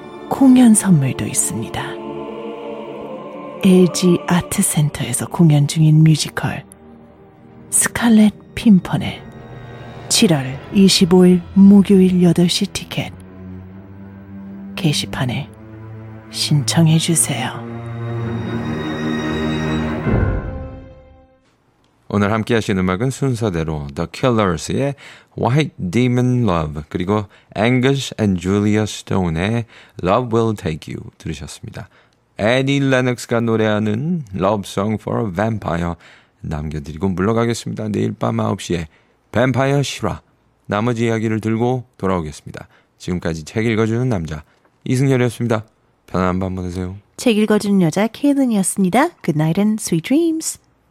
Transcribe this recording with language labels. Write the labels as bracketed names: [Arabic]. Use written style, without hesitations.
[Korean] 공연 선물도 있습니다. LG 아트센터에서 공연 중인 뮤지컬 스칼렛 핌퍼넬, 7월 25일 목요일 8시 티켓 게시판에 신청해 주세요. 오늘 함께 하신 음악은 순서대로 The Killers의 White Demon Love, 그리고 Angus and Julia Stone의 Love Will Take You 들으셨습니다. 애니 레녹스가 노래하는 Love Song for a Vampire 남겨드리고 물러가겠습니다. 내일 밤 9시에 뱀파이어 실화 나머지 이야기를 들고 돌아오겠습니다. 지금까지 책 읽어주는 남자 이승열이었습니다. 편안한 밤 보내세요. 책 읽어주는 여자 케이든이었습니다. [English] Good night and sweet dreams.